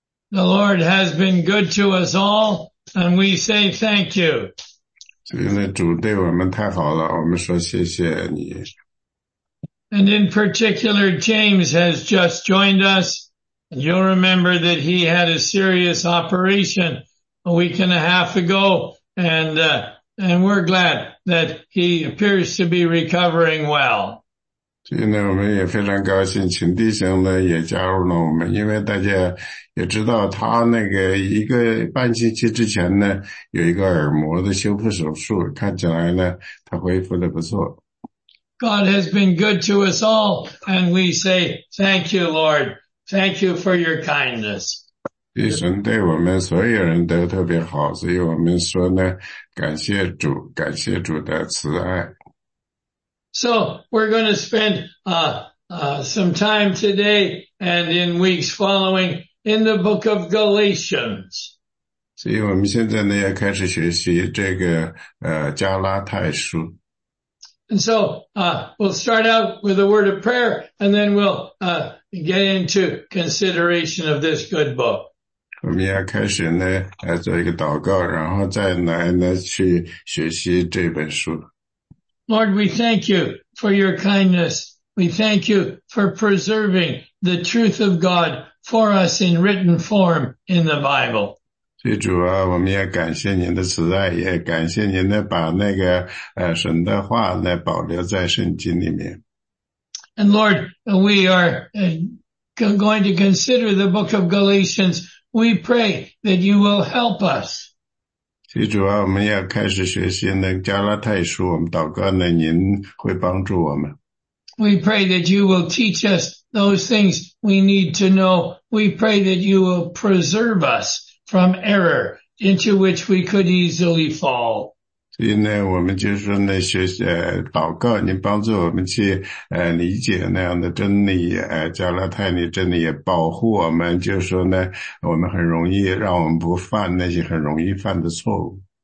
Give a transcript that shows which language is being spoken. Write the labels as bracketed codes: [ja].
[en] The Lord has been good to us all, and we say thank you. [zh] 因为主对我们太好了，我们说谢谢你。 [en] And in particular, James has just joined us. You'll remember that he had a serious operation a week and a half ago, and we're glad that he appears to be recovering well. [zh] 所以呢，我们也非常高兴，请弟兄呢也加入了我们，因为大家也知道他那个一个半星期之前呢有一个耳膜的修复手术，看起来呢他恢复的不错。 [en] God has been good to us all, and we say thank you, Lord. Thank you for your kindness. [zh] 神对我们所有人都特别好，所以我们说呢，感谢主，感谢主的慈爱。 [en] So we're going to spend some time today and in weeks following in the book of Galatians. [zh] 所以我们现在呢要开始学习这个加拉太书。 [en] And so, we'll start out with a word of prayer, and then we'll, get into consideration of this good book. [zh] 我们要开始呢，来做一个祷告，然后再来呢，去学习这本书。 [en] Lord, we thank you for your kindness. We thank you for preserving the truth of God for us in written form in the Bible. [zh] 所以主啊，我们也感谢您的慈爱，也感谢您的把那个神的话呢保留在圣经里面。 [en] And Lord, we are going to consider the book of Galatians. We pray that you will help us. [zh] 所以主啊，我们要开始学习那加拉太书，我们祷告呢，您会帮助我们。 [en] We pray that you will teach us those things we need to know. We pray that you will preserve us. From error into which we could easily fall. [zh] 所以呢，我们就说呢，学习祷告，您帮助我们去理解那样的真理，加拉太的真理，保护我们，就是说呢，我们很容易让我们不犯那些很容易犯的错误。